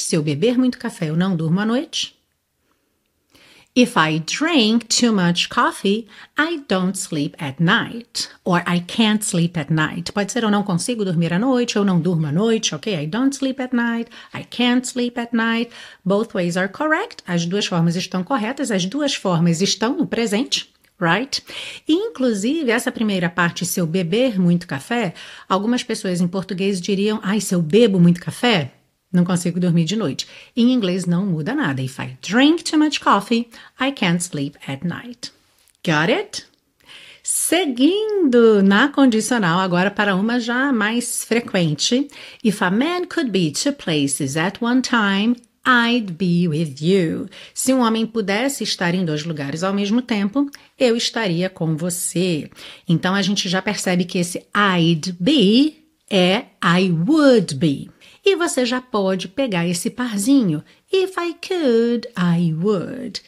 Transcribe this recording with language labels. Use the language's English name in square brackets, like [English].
[Portuguese] Se eu beber muito café, eu não durmo à noite. [English] If I drink too much coffee, I don't sleep at night. Or I can't sleep at night. [Portuguese] Pode ser eu não consigo dormir à noite, eu não durmo à noite, ok? [English] I don't sleep at night, I can't sleep at night. Both ways are correct. [Portuguese] As duas formas estão corretas, as duas formas estão no presente, right? Inclusive, essa primeira parte, se eu beber muito café, algumas pessoas em português diriam: ai, se eu bebo muito café, não consigo dormir de noite. Em inglês não muda nada. [English] If I drink too much coffee, I can't sleep at night. Got it? [Portuguese] Seguindo na condicional, agora para uma já mais frequente. [English] If a man could be two places at one time, I'd be with you. [Portuguese] Se um homem pudesse estar em dois lugares ao mesmo tempo, eu estaria com você. Então a gente já percebe que esse I'd be é I would be. E você já pode pegar esse parzinho. [English] If I could, I would.